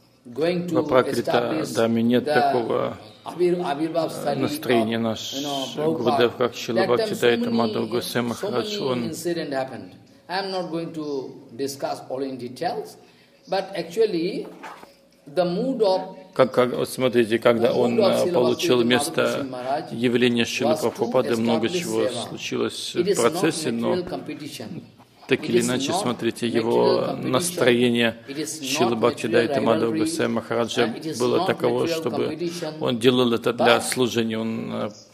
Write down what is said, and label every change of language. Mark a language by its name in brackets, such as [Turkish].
[Russian] в Апракрита Даме нет такого настроения наш Гурудев, как Шрила Бхактивинода Мадхава Госвами Махарадж. Он [English] incident happened. I am not going to discuss all in details, but actually the mood of [Russian] Как, вот смотрите, когда он получил место явления Шрилы Прабхупады, много чего случилось в процессе, но так или иначе, смотрите, его настроение Шрилы Бхактивиданта Мадхава Госвами Махараджа было таково, чтобы он делал это для служения, он